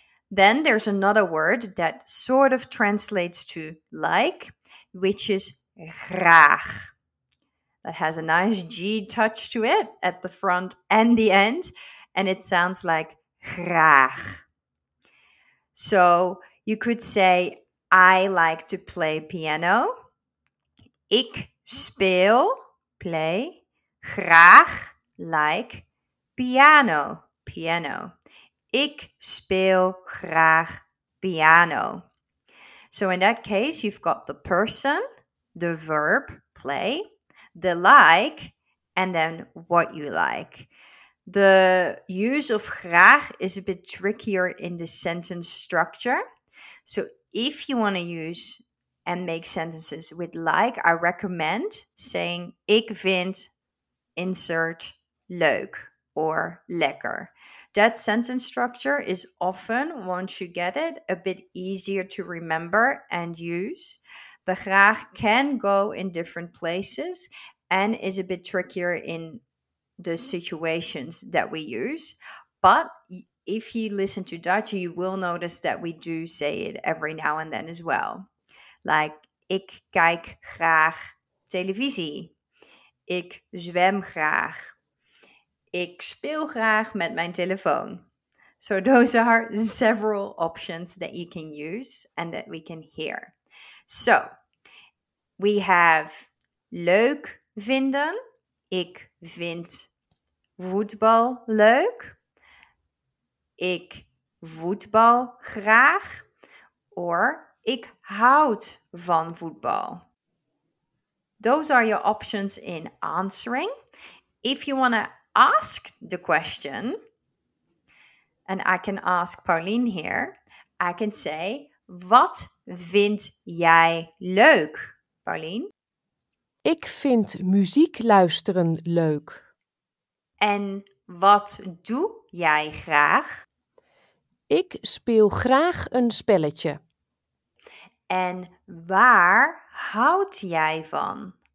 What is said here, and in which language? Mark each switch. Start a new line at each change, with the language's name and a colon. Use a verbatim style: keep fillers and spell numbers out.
English: Then there's another word that sort of translates to like, which is graag. That has a nice G touch to it at the front and the end, and it sounds like graag. So you could say, I like to play piano.
Dutch: Ik speel, play, graag, like, piano, piano. Ik speel graag piano.
English: So in that case, you've got the person, the verb, play, the like, and then what you like. The use of graag is a bit trickier in the sentence structure. So if you want to use and make sentences with like, I recommend saying ik vind, insert, leuk or lekker. That sentence structure is often, once you get it, a bit easier to remember and use. The graag can go in different places and is a bit trickier in the situations that we use. But y- if you listen to Dutch, you will notice that we do say it every now and then as well.
Dutch: Like, ik kijk graag televisie. Ik zwem graag. Ik speel graag met mijn telefoon.
English: So those are several options that you can use and that we can hear. So we have leuk vinden.
Dutch: Ik vind voetbal leuk. Ik voetbal graag. Or ik houd van voetbal.
English: Those are your options in answering. If you want to ask the question, and I can ask Pauline here, I can say,
Dutch: wat vind jij leuk,
English: Pauline?
Dutch: Ik vind muziek luisteren leuk. En wat doe jij graag? Ik speel graag een spelletje. En waar houd jij van?